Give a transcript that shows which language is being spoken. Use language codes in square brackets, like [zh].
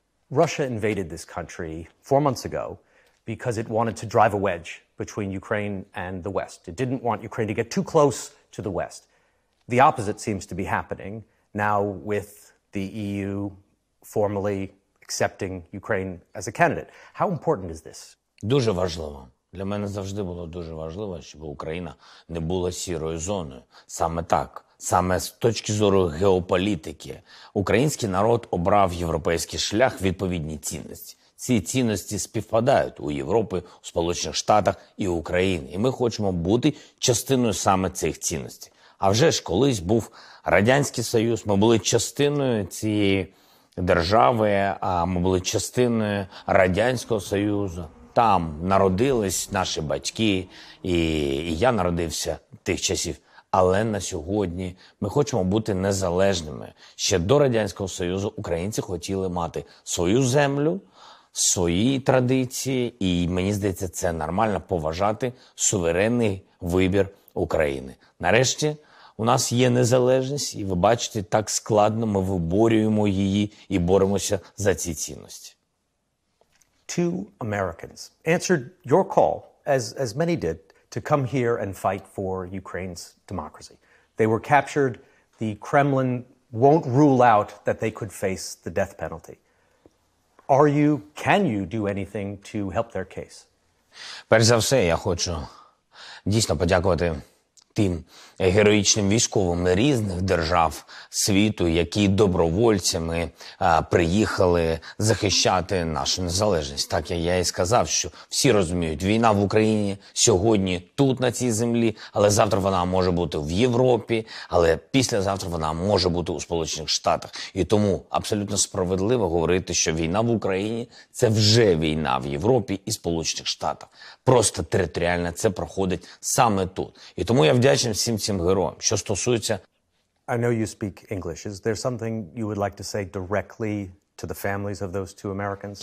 [en] Russia invaded this country 4 months ago because it wanted to drive a wedge between Ukraine and the West. It didn't want Ukraine to get too close to the West. The opposite seems to be happening now with the EU formally accepting Ukraine as a candidate. How important is this? [uk] Дуже важливо. Для мене завжди було дуже важливо, щоб Україна не була сірою зоною. Саме так. Саме з точки зору геополітики, український народ обрав європейський шлях, відповідні цінності. Ці цінності співпадають у Європі, у Сполучених Штатах і Україні. І ми хочемо бути частиною саме цих цінностей. А вже ж колись був Радянський Союз, ми були частиною цієї держави, а ми були частиною Радянського Союзу. Там народились наші батьки, і я народився тих часів. Але на сьогодні ми хочемо бути незалежними. Ще до Радянського Союзу українці хотіли мати свою землю, свої традиції. І мені здається, це нормально поважати суверенний вибір України. Нарешті у нас є незалежність, і ви бачите, так складно ми виборюємо її і боремося за ці цінності. [en] Two Americans answered your call, as many did, to come here and fight for Ukraine's democracy. They were captured. The Kremlin won't rule out that they could face the death penalty. Can you do anything to help their case? [uk] Перш за все, я хочу дійсно подякувати тим героїчним військовим різних держав світу, які добровольцями приїхали захищати нашу незалежність. Так я і сказав, що всі розуміють, війна в Україні сьогодні тут, на цій землі, але завтра вона може бути в Європі, але післязавтра вона може бути у Сполучених Штатах. І тому абсолютно справедливо говорити, що війна в Україні – це вже війна в Європі і Сполучених Штатах. Просто територіально це проходить саме тут. І тому я вдячний всім цим героям. Що стосується... [en] I know you speak English. Is there something you would like to say directly to the families of those two Americans?